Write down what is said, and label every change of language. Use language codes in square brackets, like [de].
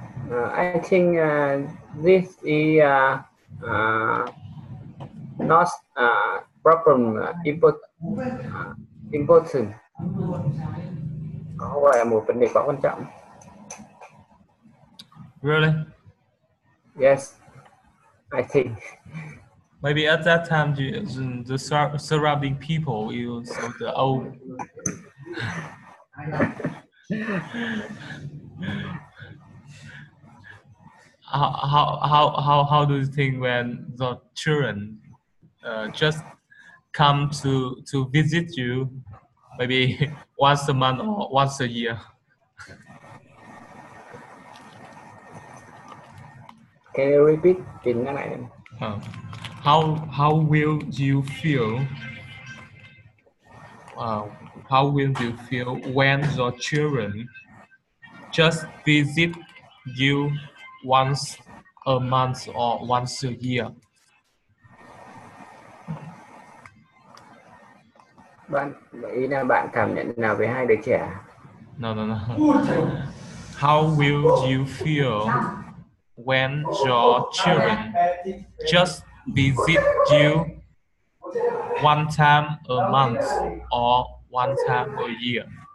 [en] I think this is not a problem important. [vi] Có phải là một vấn đề quá quan trọng? [en] Really? Yes, I think. Maybe at that time the surrounding people use the old. How do you think when the children just come to visit you, maybe once a month or once a year? Can you repeat [vi] tin nó lại? [en] How will you feel? How will you feel when your children just visit you once a month or once a year? [vi] Bạn ý là bạn cảm nhận nào về hai đứa trẻ? [en] No. How will you feel when your children just visit you one time a month or one time a year?